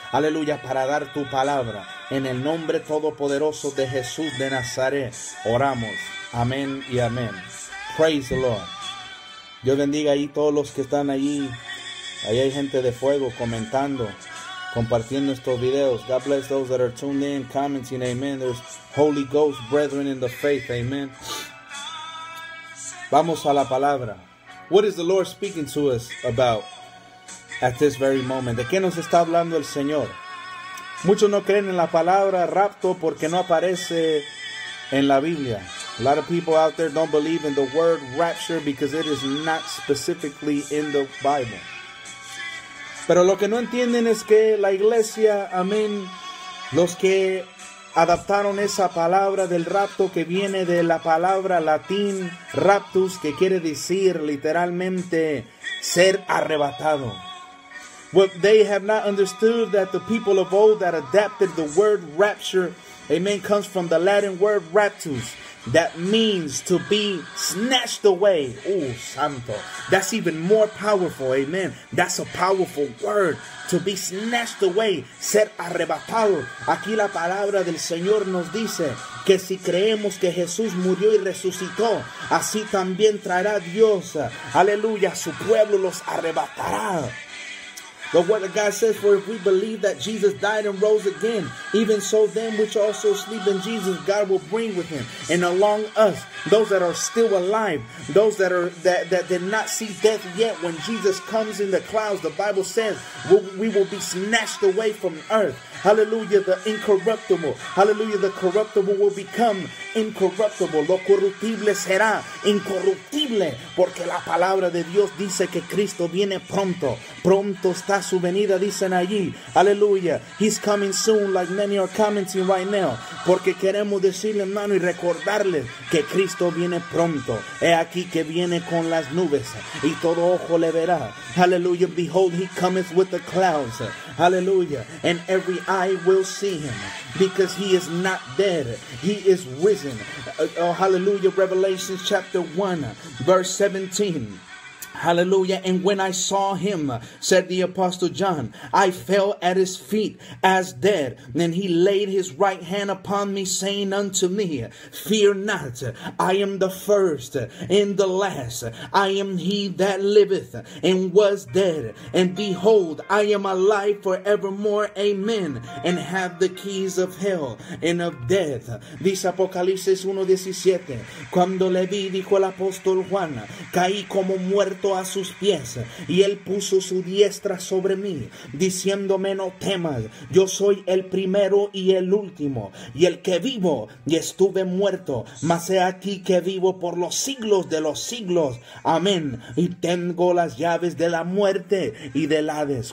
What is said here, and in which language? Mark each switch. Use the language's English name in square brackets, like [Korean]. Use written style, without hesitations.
[Spanish] Aleluya, para dar tu palabra. En el nombre todopoderoso de Jesús de Nazaret, oramos. Amén y amén. [English] Praise the Lord. [Spanish] Dios bendiga ahí todos los que están allí. Ahí hay gente de fuego comentando, compartiendo estos videos. [English] God bless those that are tuned in, commenting, amen. There's Holy Ghost brethren in the faith, amen. [Spanish] Vamos a la palabra. [English] What is the Lord speaking to us about at this very moment? [Spanish] ¿De qué nos está hablando el Señor? Muchos no creen en la palabra rapto porque no aparece en la Biblia. [English] A lot of people out there don't believe in the word rapture because it is not specifically in the Bible. [Spanish] Pero lo que no entienden es que la iglesia, amén, los que adaptaron esa palabra del rapto, que viene de la palabra latín raptus, que quiere decir literalmente ser arrebatado. [English] Well, they have not understood that the people of old that adapted the word rapture, amen, comes from the Latin word raptus. That means to be snatched away. [Spanish] Oh, santo. [English] That's even more powerful. Amen. That's a powerful word. To be snatched away. [Spanish] Ser arrebatado. Aquí la palabra del Señor nos dice que si creemos que Jesús murió y resucitó, así también traerá Dios. Aleluya. Su pueblo los arrebatará. [English] The word of God says, for if we believe that Jesus died and rose again, even so them which also sleep in Jesus, God will bring with him. And along us, those that are still alive, those that are that did not see death yet, when Jesus comes in the clouds, the Bible says, we will be snatched away from earth. Hallelujah, the incorruptible. Hallelujah, the corruptible will become incorruptible. [Spanish] Lo corruptible será incorruptible. Porque la palabra de Dios dice que Cristo viene pronto. Pronto está su venida, dicen allí. [English] Hallelujah, he's coming soon, like many are commenting right now. [Spanish] Porque queremos decirle, hermano, y recordarle que Cristo viene pronto. He aquí que viene con las nubes, y todo ojo le verá. [English] Hallelujah, behold, he cometh with the clouds. Hallelujah, and every I will see him, because he is not dead, he is risen. Hallelujah, Revelation chapter 1, verse 17. Hallelujah, and when I saw him, said the apostle John, I fell at his feet as dead. Then he laid his right hand upon me, saying unto me, fear not, I am the first and the last. I am he that liveth and was dead, and behold, I am alive forevermore, amen, and have the keys of hell and of death. [Spanish] Dice Apocalipsis 1:17, cuando le vi, dijo el apóstol Juan, caí como muerto a sus pies, y él puso su diestra sobre mí, diciéndome, no temas, yo soy el primero y el último, y el que vivo, y estuve muerto, mas he aquí que vivo por los siglos de los siglos, amén, y tengo las llaves de la muerte y del Hades.